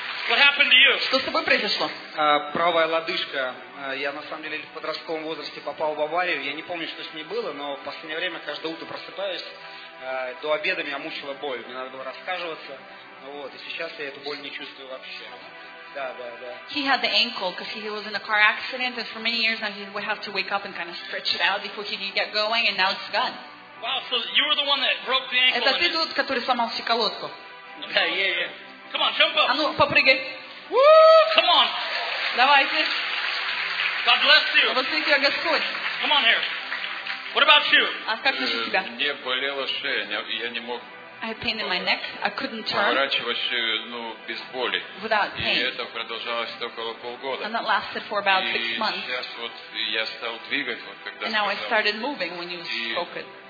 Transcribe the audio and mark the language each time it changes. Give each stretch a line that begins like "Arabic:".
English: What happened to you?
Russian: Что с тобой произошло? Правая лодыжка. Я на самом деле в подростковом возрасте попал в аварию. Я не помню, что с ней было, но в последнее время каждое утро просыпаюсь. До обеда меня мучила боль. Мне надо было раскаживаться. Вот. И сейчас я эту боль не чувствую вообще.
English: He had the ankle because he was in a car accident, and for many years now he would have to wake up and kind of stretch it out before he could get going, and now it's gone. Wow, so you were the one that broke the ankle.
Russian: Это ты тот, который сломал щиколотку.
English: Okay, yeah. Come on, jump up.
Russian: А ну, попрыгай.
English: Woo! Come on.
Russian: Давайте.
English: God bless you.
Russian: Благослови тебя Господь.
English: Come on here. What about you?
Russian: А как насчет тебя? Мне болела шея, я не мог.
English: I had pain in my neck. I couldn't turn.
Russian: Поворачиваться, ну, без боли.
English: Without pain.
Russian: И это продолжалось около полгода.
English: And that lasted for about 6 months.
Russian: И сейчас вот я стал двигать, вот когда.
English: And now I started moving when you spoke it.